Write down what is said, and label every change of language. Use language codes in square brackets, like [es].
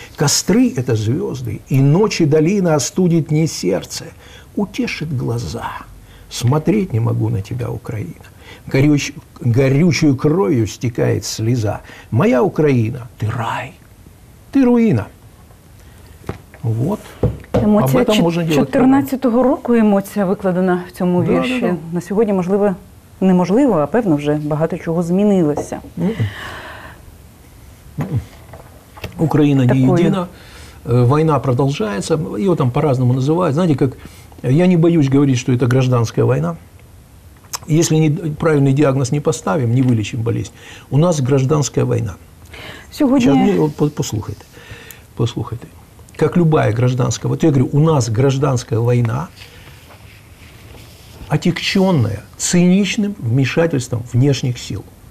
[ru] Костры — это звезды, и ночи долина остудит не сердце, утешит глаза. Смотреть не могу на тебя, Украина. Горючую кровью стекает слеза. Моя Украина, ты рай, ты руина. Вот. [uk] Емоція [ru] об этом можно делать. [uk] 14-го року емоція викладена в цьому вірші. Да. На сьогодні, можливо, неможливо, а певно вже багато чого змінилося. Україна не єдина. Війна продовжується. Його там по-разному називають. Знаєте, як я не боюсь говорити, що це гражданська війна. [ru] Если правильный диагноз не поставим, не вылечим болезнь, у нас гражданская война. Сегодня... Послушайте. Как любая гражданская война. Вот я говорю, у нас гражданская война, отягченная циничным вмешательством внешних сил.